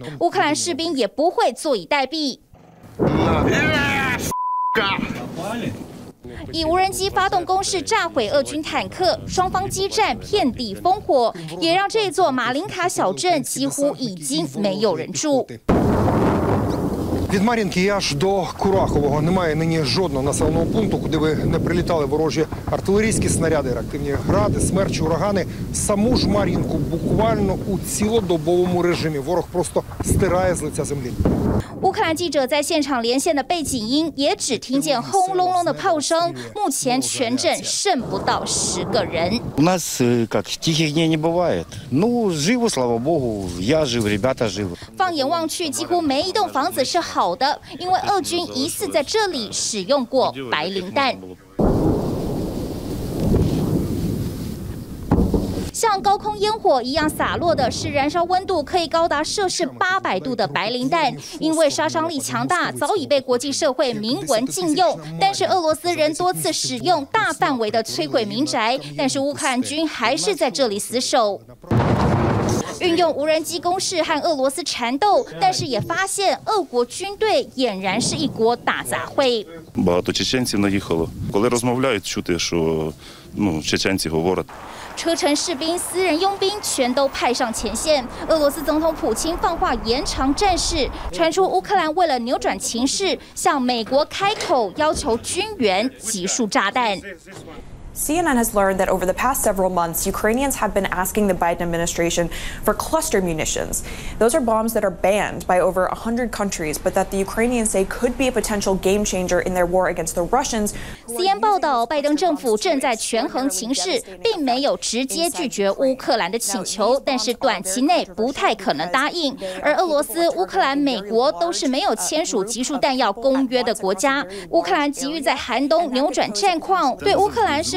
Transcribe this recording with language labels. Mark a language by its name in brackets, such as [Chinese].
[Chinese] 乌克兰士兵也不会坐以待毙。以无人机发动攻势炸毁俄军坦克，双方激战遍地烽火，也让这座马林卡小镇几乎已经没有人住。 [Ukrainian] Від Мар'їнки аж до Курахового немає нині жодного населеного пункту, куди би не прилітали ворожі артилерійські снаряди, реактивні гради, смерчі, урагани. Саму ж Мар'їнку буквально у цілодобовому режимі. Ворог просто стирає з лиця землі. [Chinese] 乌克兰记者在现场连线的背景音也只听见轰隆隆的炮声，目前全镇剩不到十个人。 [Ukrainian] У нас як тихих днів не буває. Ну, живу, слава Богу, я жив, ребята живі. [Chinese] 放眼望去，几乎每一栋房子是好的，因为俄军疑似在这里使用过白磷弹。像高空烟火一样洒落的是燃烧温度可以高达摄氏800度的白磷弹，因为杀伤力强大，早已被国际社会明文禁用。但是俄罗斯人多次使用，大范围的摧毁民宅，但是乌克兰军还是在这里死守。运用无人机攻势和俄罗斯缠斗，但是也发现俄国军队俨然是一锅大杂烩。 [Ukrainian] багато чеченців наїхало, коли розмовляють, чути, що ну чеченці говорять。 [Chinese] 车臣、士兵、私人佣兵全都派上前线。俄罗斯总统普京放话延长战事，传出乌克兰为了扭转情势，向美国开口要求军援急速炸弹。 [English] CNN has learned that over the past several months, Ukrainians have been asking the Biden administration for cluster munitions. Those are bombs that are banned by over 100 countries, but that the Ukrainians say could be a potential game changer in their war against the Russians. [Chinese] CNN 报道，拜登政府正在权衡情势，并没有直接拒绝乌克兰的请求，但是短期内不太可能答应。而俄罗斯、乌克兰、美国都是没有签署集束弹药公约的国家。乌克兰急于在寒冬扭转战况，对乌克兰是。